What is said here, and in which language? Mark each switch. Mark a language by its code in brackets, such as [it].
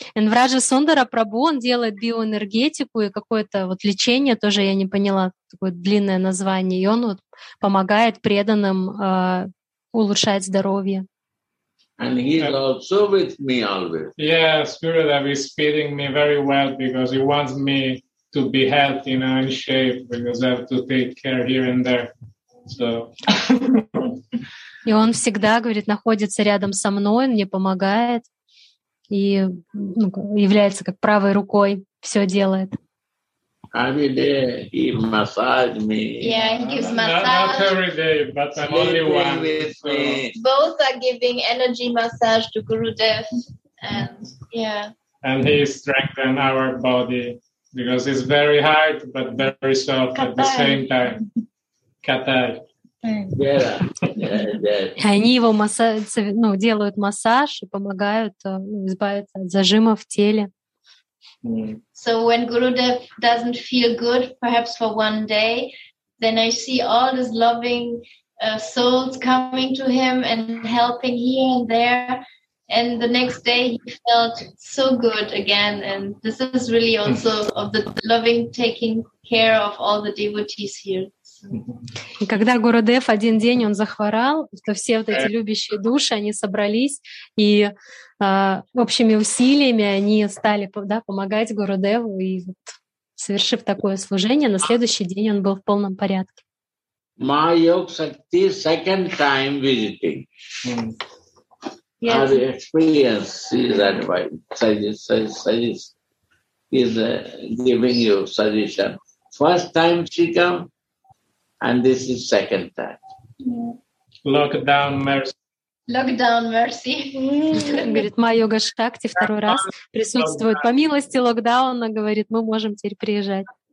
[ru] И Враджа Сундара Прабу, он делает биоэнергетику и какое-то вот лечение, тоже я не поняла, такое длинное название. И он вот помогает преданным улучшать здоровье. [en] And he's also with me always. Yeah, Spirit Dev is feeding me very well because he wants me to be healthy and in shape because I have to take care here and there. So... [ru] и он всегда, говорит, находится рядом со мной, мне помогает. И является как правой рукой, все делает. [en] Every day he massage me. Yeah, he gives massage. Not every day, but I'm only one. So. Both are giving energy massage to Gurudev. And yeah. And he strengthens our body because it's very hard, but very soft Katai. At the same time. Katai. Yeah. [ru] Они его делают массаж и помогают избавиться от зажимов в теле. [en] So when Gurudev doesn't feel good, perhaps for one day, then I see all these loving souls coming to him and helping here and there. And the next day he felt so good again. And this is really also of the loving taking care of all the devotees here. [ru] И когда Гурудев один день он захворал, то все вот эти любящие души, они собрались, и общими усилиями они стали помогать Гурудеву, и вот, совершив такое служение, на следующий день он был в полном порядке. [en] Майок Сакти, second time visiting. Yes. Our experience is advice, is giving you suggestion. First time she come, and this is second time. Yeah. Lockdown mercy. Lockdown mercy. [ru] Говорит, Майя Йога Шакти второй раз присутствует. По милости локдауна, говорит, мы можем теперь приезжать.